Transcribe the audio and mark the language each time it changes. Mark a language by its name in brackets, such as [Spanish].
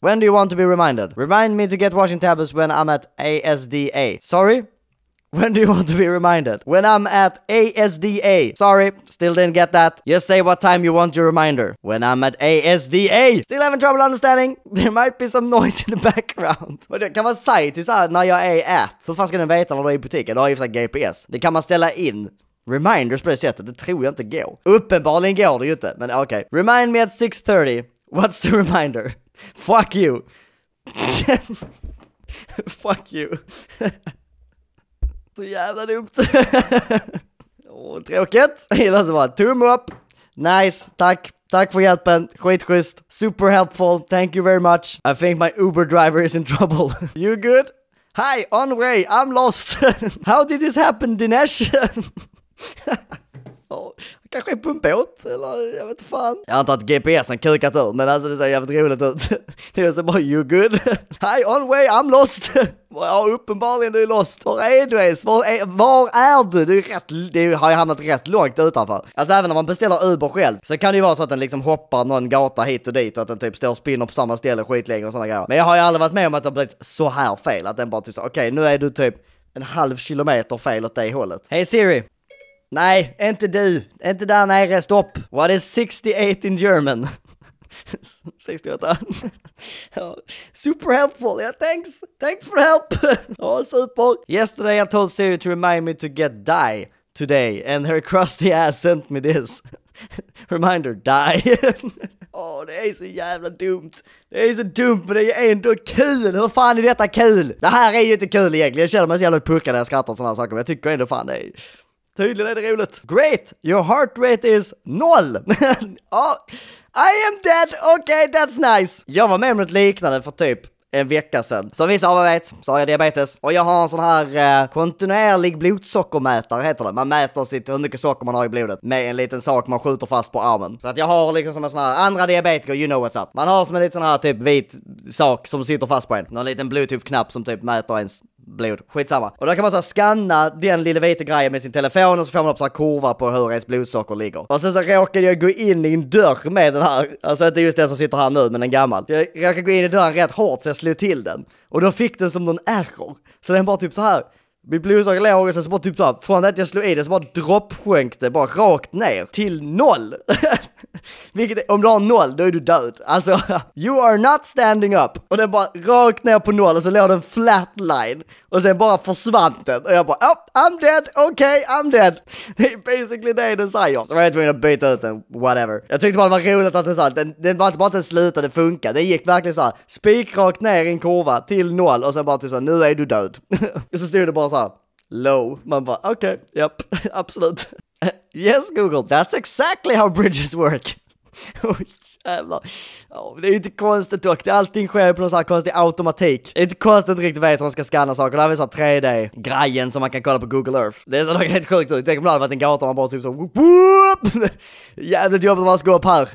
[English] When do you want to be reminded? Remind me to get washing tablets when I'm at ASDA. Sorry? When do you want to be reminded? When I'm at ASDA. Sorry, still didn't get that. Just say what time you want your reminder. When I'm at ASDA. Still having trouble understanding. There might be some noise in the background. [Swedish] Men det kan man säga till såhär när jag är at. Så fan ska den veta när du är i butiken. Då har ju såhär GPS. Det kan man ställa in. Reminders på det sättet. Det tror jag inte går. Uppenbarligen går det ju inte. Men okej. [English] Okay. Remind me at 6:30. What's the reminder? Fuck you. Fuck you. [Swedish] Så jävla dumt. Oh, tråkigt. Jag gillar så bara tumme upp. Nice, tack. Tack för hjälpen. Skitschysst. [English] Super helpful. Thank you very much. I think my Uber driver is in trouble. You good? Hi, on way. I'm lost. How did this happen, Dinesh? [Swedish] Oh, kanske på en båt. Eller jag vet fan. Jag antar att GPSen kukat ur. Men alltså det ser jävligt roligt ut. Det är så bara, [English] you good? Hi, on way. I'm lost. [Swedish] Ja, uppenbarligen du är lost. Var är du ens? Var är du? Du har ju hamnat rätt långt utanför. Alltså även om man beställer Uber själv så kan det ju vara så att den liksom hoppar någon gata hit och dit och att den typ står och spinner på samma ställe skitlänge och sådana grejer. Men jag har ju aldrig varit med om att det har blivit så här fel. Att den bara typ så, okej, nu är du typ en halv kilometer fel åt det hållet. Hej Siri. Nej, inte du. Inte där nere, stopp. [English] What is 68 in German? 68. Oh, super helpful. Yeah, thanks. Thanks for the help. Oh, super. Yesterday I told Siri to remind me to get die today and her crusty ass sent me this. [Swedish] Reminder, die. Oh, det är så jävla dumt. Det är så dumt, men det är ändå kul. Hur fan är detta kul? Det här är ju inte kul egentligen. Jag känner mig så jävla puckad när jag skrattar sådana saker, men jag tycker ändå fan det är. Tydligen är det roligt. [English] Great, your heart rate is [Swedish] noll. Ja, [English] I am dead, okay, that's nice. [Swedish] Jag var med om ett liknande för typ en vecka sedan. Som vissa av er vet så har jag diabetes. Och jag har en sån här kontinuerlig blodsockermätare heter det. Man mäter sitt, hur mycket socker man har i blodet. Med en liten sak man skjuter fast på armen. Så att jag har liksom som en sån här andra diabetiker, [English] you know what's up. [Swedish] Man har som en liten här typ vit sak som sitter fast på en. Någon liten bluetooth-knapp som typ mäter ens blod. Skitsamma. Och då kan man så skanna den lilla vita grejen med sin telefon. Och så får man upp så här kurva på hur ens blodsocker ligger. Och sen så råkade jag gå in i en dörr med den här. Alltså inte just den som sitter här nu, men en gammal. Jag råkade gå in i dörren rätt hårt så jag slog till den. Och då fick den som någon error. Så den bara typ så här. Mitt blodsocker låg och sen så bara typ så här. Från det jag slog i den så bara droppsjönkte bara rakt ner. Till noll. Vilket, om du har noll, då är du död. Alltså, [English] you are not standing up. [Swedish] Och den bara rakt ner på noll. Och så låg den flatline. Och sen bara försvann den. Och jag bara, [English] oh, I'm dead, okay, I'm dead. [Swedish] Det är basically det den säger. Så var jag tvungen att byta ut den, whatever. Jag tyckte bara det var roligt att den sa, den var inte bara att den slutade funka. Det gick verkligen så här, spik rakt ner i en kurva till noll. Och sen bara till så här, nu är du död. Och så stod det bara så här, low. Man bara, okay, yep, absolut. [English] Yes, Google, that's exactly how bridges work. [Swedish] Oh, jävlar. Oh, det är inte konstigt dock. Allting sker på någon sån här konstig automatik. Det är inte konstigt att riktigt vet hur man ska scanna saker. Det här är så 3D-grejen som man kan kolla på Google Earth. Det är så något helt sjukt. Det kommer att vara en gata man bara typ så whoop! Jävligt jobbigt att man ska gå upp här.